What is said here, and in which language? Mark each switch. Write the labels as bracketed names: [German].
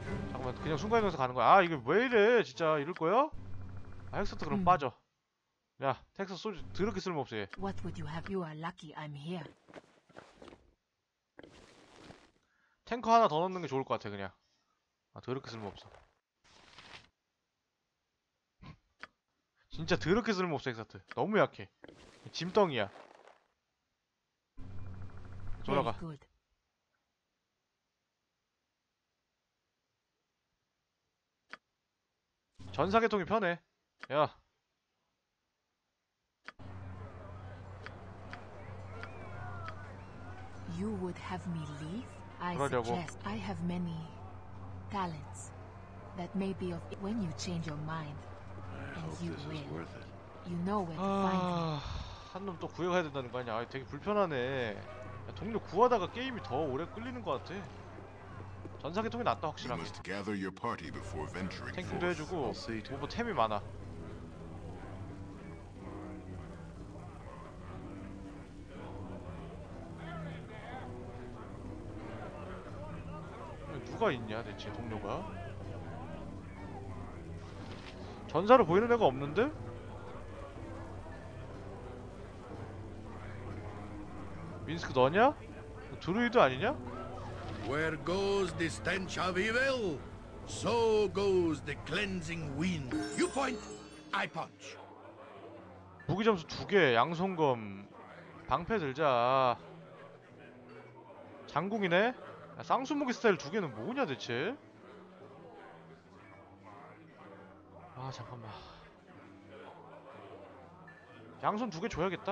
[Korean] 잠깐만 그냥 순간이동해서 가는 거야. 아 이게 왜 이래 진짜 이럴 거야? 아 텍사스 그럼 빠져. 야 텍사스 소주 더럽게 쓸모없어 얘. [English] What would you have? You are lucky I'm here. [Korean] 탱커 하나 더 넣는 게 좋을 것 같아 그냥. 아 더럽게 쓸모없어. 진짜 더럽게 쓸모없어 엑사트. 너무 약해. 짐덩이야. 돌아가. 전사계통이 편해. 야. [English] You would have me leave? I suggest I have many talents that may be of when you change your mind. You know where to find me. [Korean] 한 놈 또 구해가야 된다는 거 아니야? 아, 되게 불편하네. 야, 동료 구하다가 게임이 더 오래 끌리는 거 같아. 전사계통이 낫다 확실하게. 탱킹도 해주고 뭐 템이 많아. 누가 있냐 대체 동료가? 전사로 보이는 애가 없는데? 민스크 너냐? 드루이드 아니냐? [English] Where goes the stench of evil, so goes the cleansing wind. You point, I punch. [Korean] 무기 점수 두 개, 양손검, 방패 들자. 장궁이네? 쌍수무기 스타일 두 개는 뭐냐 대체? 아 잠깐만 양손 두 개 줘야겠다.